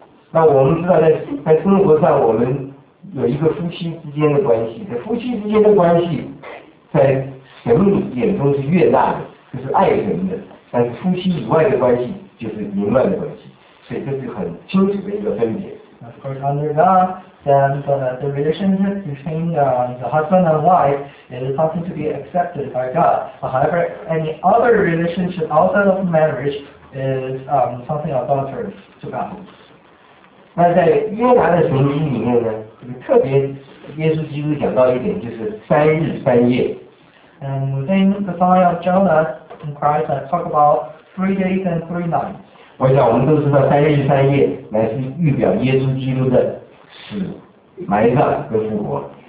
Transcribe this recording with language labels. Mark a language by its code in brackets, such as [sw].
[zh] 那我们知道在生活上，我们有一个夫妻之间的关系，在夫妻之间的关系，在神眼中是悦纳的，就是爱神的。但是夫妻以外的关系就是淫乱的关系，所以这是很清楚的一个分别。 [en] Of course, under God, then the relationship between the husband and wife is something to be accepted by God. However, any other relationship outside of marriage is something adulterous to God. [zh] 那在约拿的神经里面呢，特别耶稣基督讲到一点，就是三日三夜。 [en] And within the sign of Jonah. In Christ, I talk about 3 days and 3 nights. [zh] 我想我们都知道，三日三夜乃是预表耶稣基督的死、埋葬跟复活。